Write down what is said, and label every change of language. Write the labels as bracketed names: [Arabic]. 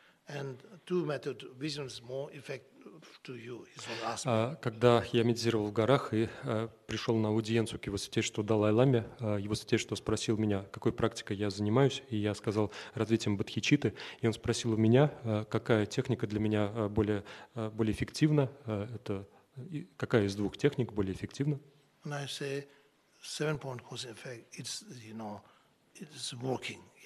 [English] And two method visions more effective to you. [Russian] Когда я медитировал в горах и пришел на аудиенцию к его святейшеству Далай-ламе, его святейшество спросил меня, какой практикой я занимаюсь, и я сказал развитием бодхичитты, и он спросил у меня, какая техника для меня более эффективна, это какая из двух техник более эффективна. [English] And I say, seven point course effect, it's, you know, it's working.